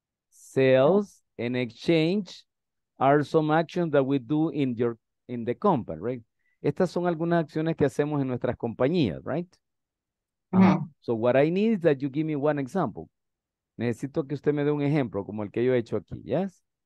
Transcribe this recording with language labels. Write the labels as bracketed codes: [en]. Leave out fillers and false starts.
[en] sales, and exchange are some actions that we do in your in the company, right? [es] Estas son algunas acciones que hacemos en nuestras compañías, right? Mm-hmm. [en] So what I need is that you give me one example. [es] Necesito que usted me dé un ejemplo como el que yo he hecho aquí, yes?